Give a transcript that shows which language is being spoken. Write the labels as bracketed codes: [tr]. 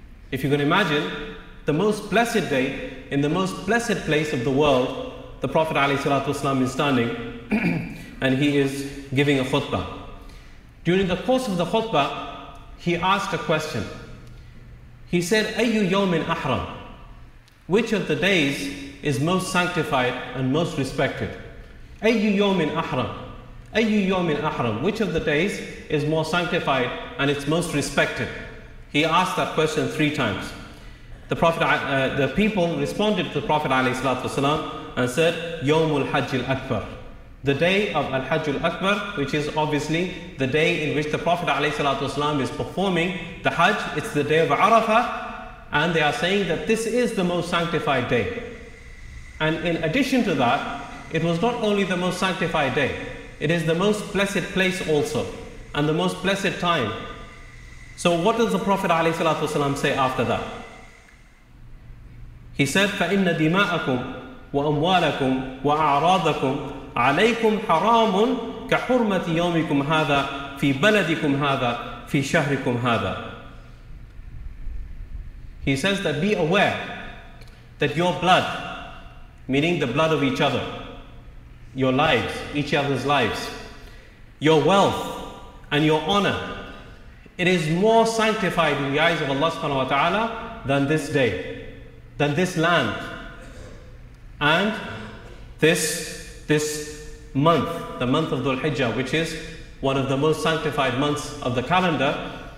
[en] If you can imagine, the most blessed day in the most blessed place of the world, the Prophet ﷺ is standing and he is giving a khutbah. During the course of the khutbah, he asked a question. He said, [ar] أَيُّ يَوْمٍ أَحْرَمٍ. [en] Which of the days is most sanctified and most respected? [ar] أَيُّ يَوْمٍ أَحْرَمٍ. أَيُّ يَوْمٍ أَحْرَمٍ. [en] Which of the days is more sanctified and it's most respected? He asked that question three times. The people responded to the Prophet ﷺ and said, [ar] يَوْمُ الْحَجِّ الْأَكْبَرِ. [en] The day of Al-Hajj al-Akbar, which is obviously the day in which the Prophet ﷺ is performing the Hajj, it's the day of Arafah, and they are saying that this is the most sanctified day. And in addition to that, it was not only the most sanctified day, it is the most blessed place also, and the most blessed time. So what does the Prophet ﷺ say after that? He said, [ar] فَإِنَّ دِمَاءَكُمْ وَأَمْوَالَكُمْ وَأَعْرَاضَكُمْ عليكم حرام كحرمة يومكم هذا في بلدكم هذا في شهركم هذا. [en] He says that be aware that your blood, meaning the blood of each other, your lives, each other's lives, your wealth and your honor, it is more sanctified in the eyes of Allah subhanahu wa ta'ala than this day, than this land, and this month, the month of Dhul-Hijjah, which is one of the most sanctified months of the calendar.